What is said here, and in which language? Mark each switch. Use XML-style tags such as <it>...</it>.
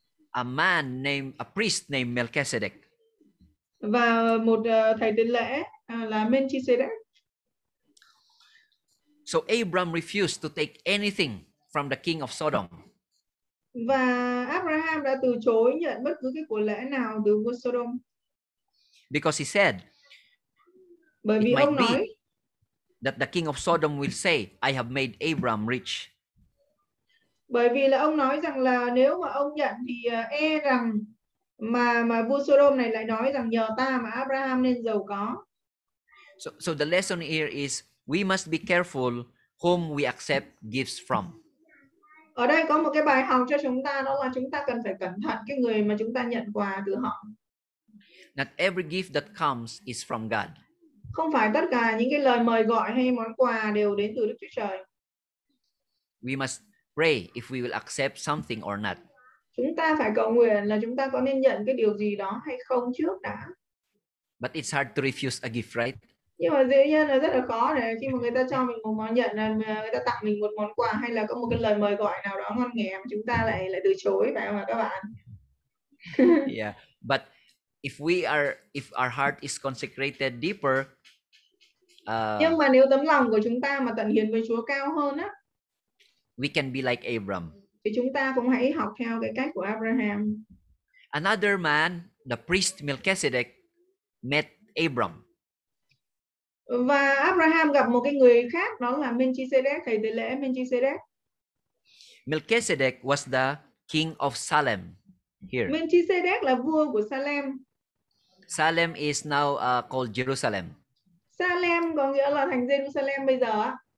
<en>A priest named Melchizedek.</en> <vi>Và một thầy tế lễ là Melchizedek.</vi> <en>So Abram refused to take anything from the king of Sodom.</en> <vi>Và Abraham đã từ chối nhận bất cứ cái của lễ nào từ vua Sodom.</vi> <en>Because he said,</en> <vi>bởi vì ông nói</vi> <en>that the king of Sodom will say, I have made Abram rich.</en> <vi>Bởi vì là ông nói rằng là nếu mà ông nhận thì mà vua Sodom này lại nói rằng nhờ ta mà Abraham nên giàu có.</vi> <en>So the lesson here is we must be careful whom we accept gifts from.</en> <vi>Ở đây có một cái bài học cho chúng ta, đó là chúng ta cần phải cẩn thận cái người mà chúng ta nhận quà từ họ.</vi> <en>Not every gift that comes is from God.</en> <vi>Không phải tất cả những cái lời mời gọi hay món quà đều đến từ Đức Chúa Trời.</vi> <en>We must pray if we will accept something or not.</en> <vi>Chúng ta phải cầu nguyện là chúng ta có nên nhận cái điều gì đó hay không trước đã.</vi> <en>But it's hard to refuse a gift, right?</en> <vi>Nhưng mà dĩ nhiên là rất là khó để khi mà người ta cho mình một món nhận, người ta tặng mình một món quà hay là có một cái lời mời gọi nào đó ngon nghè mà chúng ta lại từ chối, phải không ạ các bạn?</vi> <en>Yeah, but if we are, if our heart is consecrated deeper,</en> <vi>nhưng mà nếu tấm lòng của chúng ta mà tận hiến với Chúa cao hơn á,</vi> <en>we can be like Abram.</en> <vi>Thì chúng ta cũng hãy học theo cái cách của Abraham.</vi> <en>Another man, the priest Melchizedek, met Abram.</en> <vi>Và Abraham gặp một cái người khác, đó là Melchizedek, thầy tế lễ Melchizedek.</vi> <en>Melchizedek was the king of Salem here.</en> <vi>Melchizedek là vua của Salem.</vi> <en>Salem is now called Jerusalem.</en> <vi>Salem có nghĩa là thành Jerusalem bây giờ.</vi>